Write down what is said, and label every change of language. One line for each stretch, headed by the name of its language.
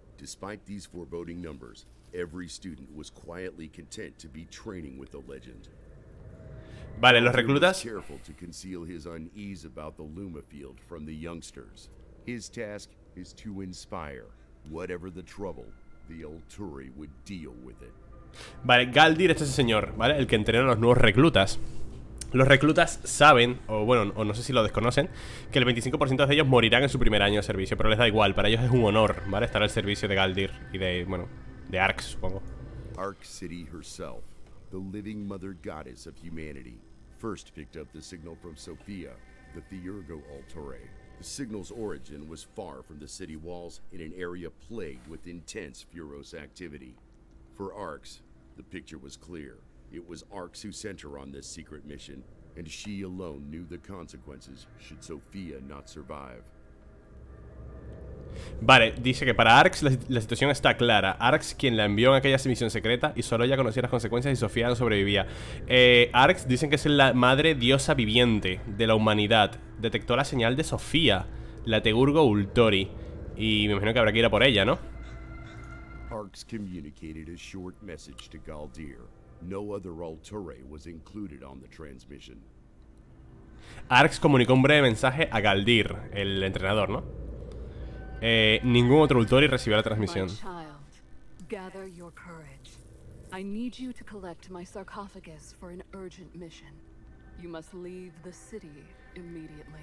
English: Despite these foreboding numbers, every student was quietly content to be training with the legend.
Spanish: Vale, los reclutas.
English: Careful to conceal his unease about the Luma field from the youngsters. His task is to inspire. Whatever the trouble, the Ulturi would deal with it.
Spanish: Vale, Galdir es ese señor, ¿vale? El que entrena a los nuevos reclutas. Los reclutas saben, o bueno, o no sé si lo desconocen, que el 25% de ellos morirán en su primer año de servicio, pero les da igual, para ellos es un honor, ¿vale? Estar al servicio de Galdir y de, bueno, de Arx, supongo.
English: Arx City herself, the living mother goddess of humanity, first picked up the signal from Sophia, the Thiurgo Ulturi. The signal's origin was far from the city walls in an area plagued with intense Furos activity. For Arx, the picture was clear. It was Arx who sent her on this secret mission, and she alone knew the consequences should Sophia not survive.
Spanish: Vale, dice que para Arx la situación está clara. Arx, quien la envió en aquella misión secreta, y solo ella conocía las consecuencias y Sophia no sobrevivía. Arx, dicen que es la madre diosa viviente de la humanidad. Detectó la señal de Sophia, la Thiurgo Ulturi, y me imagino que habrá que ir a por ella, ¿no?
English: Arx communicated a short message to Galdir. No other Ulturi was included on the transmission.
Spanish: Arx comunicó un breve mensaje a Galdir, el entrenador, ¿no? Ningún otro Ulturi recibió la transmisión.
English: My child, gather your courage. I need you to collect my sarcophagus for an urgent mission. You must leave the city immediately.